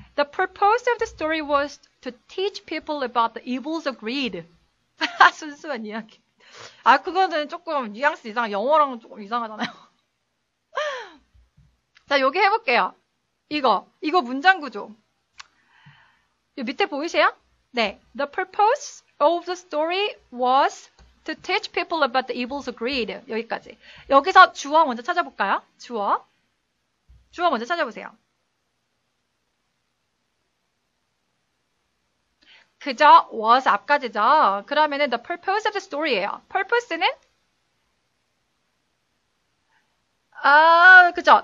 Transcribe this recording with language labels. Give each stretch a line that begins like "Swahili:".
English: The purpose of the story was to teach people about the evils of greed.
Korean: 순수한 이야기. 아, 그거는 조금 뉘앙스 이상, 영어랑은 조금 이상하잖아요. 자, 여기 해볼게요. 이거 문장 구조. 이 밑에 보이세요? 네.
English: The purpose of the story was to teach people about the evils of greed.
Korean: 여기까지. 여기서 주어 먼저 찾아볼까요? 주어. 주어 먼저 찾아보세요. 그저 was 앞까지죠. 그러면은
English: the purpose of the story
Korean: 예요. purpose는 아, 그죠.